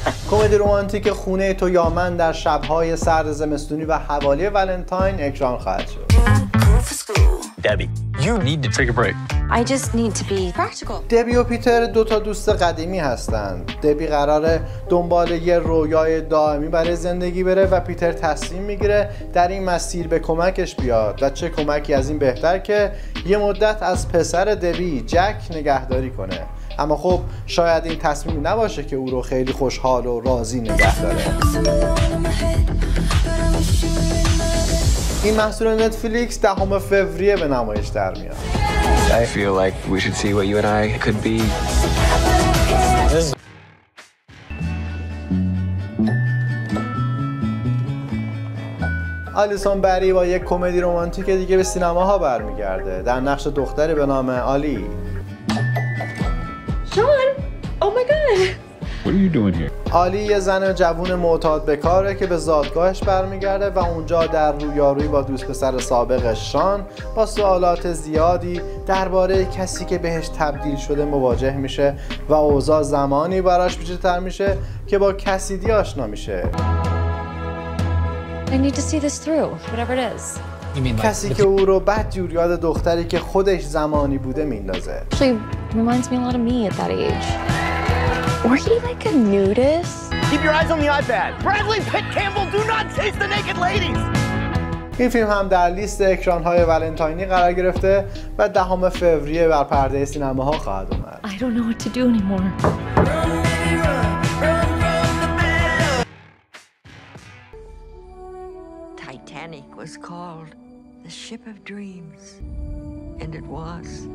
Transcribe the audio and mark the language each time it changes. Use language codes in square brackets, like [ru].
[fa] کمدی رومانتیک خونه تو یا من در شب‌های سرد زمستونی و حوالی ولنتاین اکران خواهد شد. [en] Debbie, you need to take a break. I just need to be practical. [fa] دبی و پیتر دو تا دوست قدیمی هستند. دبی قراره دنبال یه رویای دائمی برای زندگی بره و پیتر تصمیم میگیره در این مسیر به کمکش بیاد. و چه کمکی از این بهتر که یه مدت از پسر دبی، جک، نگهداری کنه. اما خب شاید این تصمیم نباشه که او رو خیلی خوشحال و راضی نگه داره. این محصول نتفلیکس 10 فوریه به نمایش در میاد. [en] I feel like we should see what you and I could be. [fa] آلیسون بری با یک کمدی رمانتیک دیگه به سینماها برمیگرده در نقش دختری به نام آلی. [en] What are you doing here? [fa] آلی یه زن جوون معتاد به کاره که به زادگاهش برمیگرده و اونجا در رویارویی با دوست پسر سابقش شان با سوالات زیادی درباره کسی که بهش تبدیل شده مواجه میشه و اوضاع زمانی براش پیچیده‌تر میشه که با کسیدی آشنا میشه. [en] I need to see this through, whatever it is. [fa] کسی که او رو بد جور یاد دختری که خودش زمانی بوده میندازه. [en] Reminds me a lot of me at that age. Were you like a nudist? Keep your eyes on the iPad. Bradley Pitt Campbell, do not chase the naked ladies. [fa] این فیلم هم در لیست اکران‌های ولنتاینی قرار گرفته و 10 فوریه بر پرده سینماها خواهد اومد. [en] I don't know what to do anymore. Titanic was called the ship of dreams, and it was.